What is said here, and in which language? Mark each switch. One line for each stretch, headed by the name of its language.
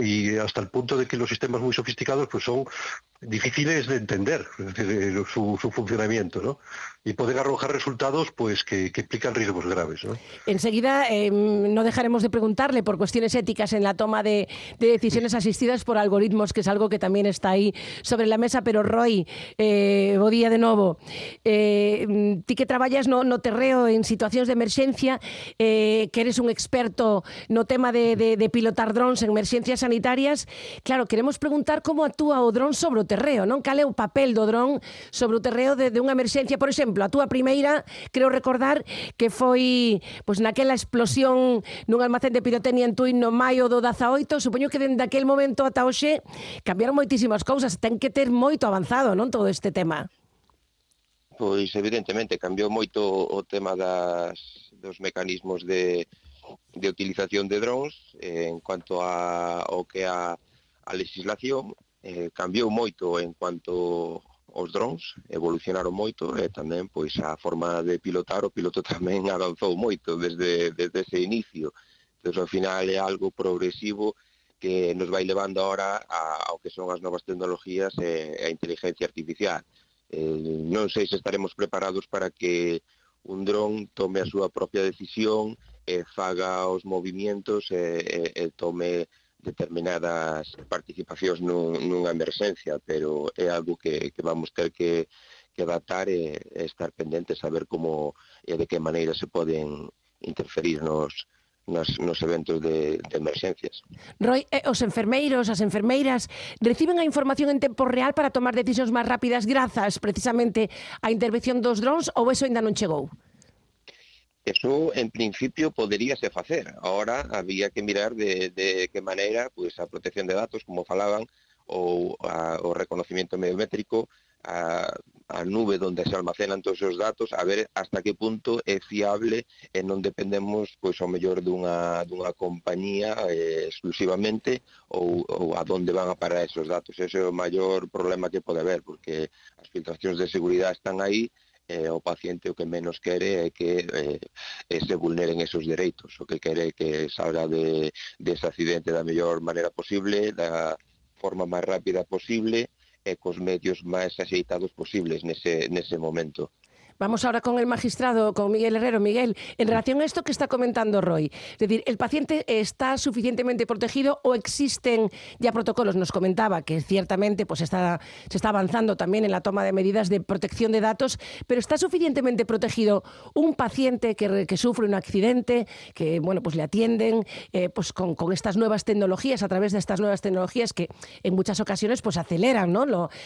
Spanish: Y hasta el punto de que los sistemas muy sofisticados pues son difíciles de entender, es decir, su funcionamiento, ¿no? Y poder arrojar resultados pues que implican riesgos graves, ¿no? Enseguida no dejaremos de preguntarle por cuestiones éticas en la toma de decisiones asistidas por algoritmos, que es algo que también está ahí sobre la mesa.
Galician: Pero Roy, bo día de novo. Ti que traballas no terreo en situacións de emerxencia, que eres un experto no tema de pilotar drones en emerxencias sanitarias, claro, queremos preguntar como actúa o drone sobre o terreo, non? Cal é o papel do drone sobre o terreo de unha emerxencia? Por exemplo, a túa primeira, creo recordar que foi pues, naquela explosión nun almacén de pirotecnia en Tui no maio do 18. Supoño que dende aquel momento ata hoxe cambiaron moitísimas cousas, ten que ter moito avanzado, non, todo este tema. Pois evidentemente cambiou moito o tema dos mecanismos de utilización de drones en cuanto a legislación. Cambiou moito en cuanto aos drones, evolucionaron moito e tamén pois a forma de pilotar, o piloto tamén avanzou moito desde ese inicio. Entonces, ao final é algo progresivo que nos vai levando agora ao que son as novas tecnologías e a inteligencia artificial. Non sei se estaremos preparados para que un drone tome a súa propia decisión e faga os movimientos e tome determinadas participacións nunha emerxencia, pero é algo que vamos ter que adaptar e estar pendentes, saber como e de que maneira se poden interferir nos eventos de emerxencias. Roy, os enfermeiros, as enfermeiras, reciben a información en tempo real para tomar decisións máis rápidas grazas precisamente á intervención dos drones, ou eso ainda non chegou? Eso en principio poderíase facer. Ahora había que mirar de que maneira pues, a protección de datos, como falaban, ou o reconocimiento biométrico, a nube donde se almacenan todos esos datos, a ver hasta que punto é fiable e non dependemos, pues, ao mellor dunha compañía exclusivamente ou a donde van a parar esos datos. Ese é o maior problema que pode haber, porque as filtracións de seguridade están aí o paciente o que menos quere é que se vulneren esos dereitos, o que quere que salga de ese accidente da mellor maneira posible, da forma máis rápida posible e cos medios máis axeitados posibles nese momento.
Spanish: Vamos ahora con el magistrado, con Miguel Herrero. Miguel, en relación a esto que está comentando Roy, es decir, ¿el paciente está suficientemente protegido o existen ya protocolos? Nos comentaba que ciertamente pues se está avanzando también en la toma de medidas de protección de datos, pero ¿está suficientemente protegido un paciente que sufre un accidente, que bueno, pues le atienden pues con estas nuevas tecnologías, a través de estas nuevas tecnologías que en muchas ocasiones pues aceleran, ¿no?